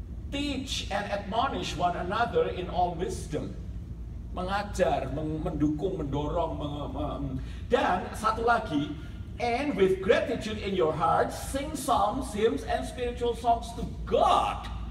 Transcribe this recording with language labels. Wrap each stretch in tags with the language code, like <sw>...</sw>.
<en>Teach and admonish one another in all wisdom.</en> <id>Mengajar, mendukung, mendorong, dan satu lagi,</id> <en>And with gratitude in your heart, sing psalms, hymns, and spiritual songs to God.</en>